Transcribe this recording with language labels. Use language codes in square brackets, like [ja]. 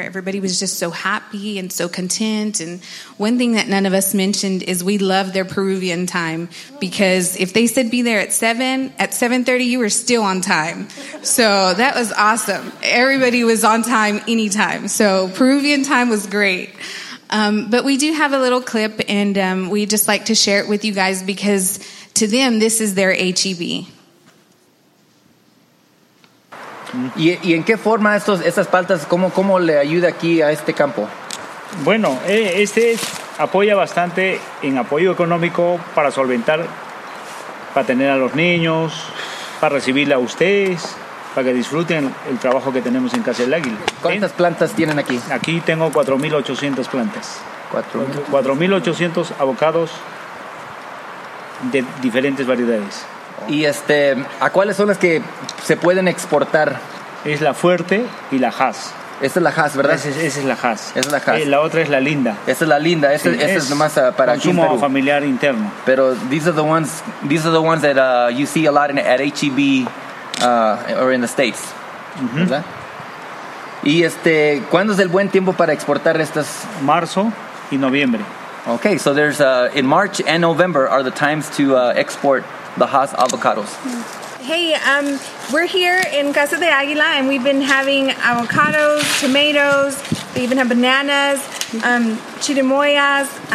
[en] Everybody was just so happy and so content. And one thing that none of us mentioned is we love their Peruvian time, because if they said be there at 7, at 7:30, you were still on time. So that was awesome. Everybody was on time anytime. So Peruvian time was great. But we do have a little clip, and we just like to share it with you guys because to them, this is their HEB. [es] ¿Y en qué forma estas paltas, cómo le ayuda aquí a este campo? Bueno, este apoya bastante en apoyo económico para solventar, para tener a los niños, para recibirle a ustedes, para que disfruten el trabajo que tenemos en Casa del Águila. ¿Cuántas plantas tienen aquí? Aquí tengo 4,800 plantas. 4,800 avocados de diferentes variedades. ¿Y a cuáles son las que se pueden exportar? Es la Fuerte y la Haas. Esta es la Haas, ¿verdad? Esa es la Haas. Esa es la Haas. La otra es la Linda. Esta es la Linda. Esta, sí, esta es nomás para consumo aquí en Perú. Familiar interno. [en] Pero these are the ones that you see a lot at HEB or in the States. Uh-huh. [es] ¿Verdad? ¿Y cuándo es el buen tiempo para exportar estas? Marzo y noviembre. [en] Okay, so there's in March and November are the times to export the Haas avocados. Hey, we're here in Casa de Águila, and we've been having avocados, tomatoes, they even have bananas, chirimoyas.